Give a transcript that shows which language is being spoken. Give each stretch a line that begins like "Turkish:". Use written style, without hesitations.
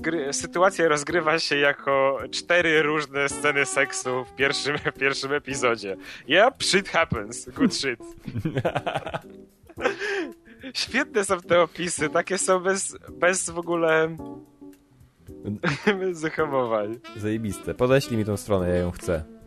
Polish: Sytuacja rozgrywa się jako cztery różne sceny seksu w pierwszym epizodzie.
English: Yep, shit happens, good shit.
Polish: Świetne są te opisy, takie są bez w ogóle bez zahamowań. Zajebiste, podeślij mi tą stronę, ja ją chcę.